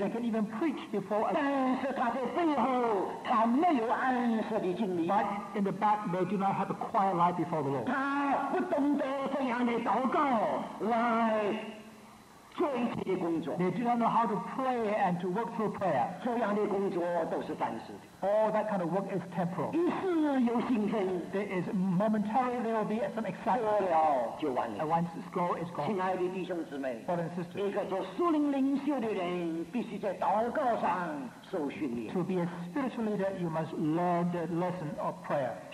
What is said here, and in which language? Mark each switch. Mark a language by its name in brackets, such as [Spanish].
[English] They can even preach before but in the back, they do not have a quiet life before the Lord. They do not know how to pray and to work through prayer. [Chinese] 这样的工作都是暂时的。 [English] All that kind of work is temporal. There is momentary, there will be some excitement. And once the score is gone, brothers and sisters, to be a spiritual leader, you must learn the lesson of prayer.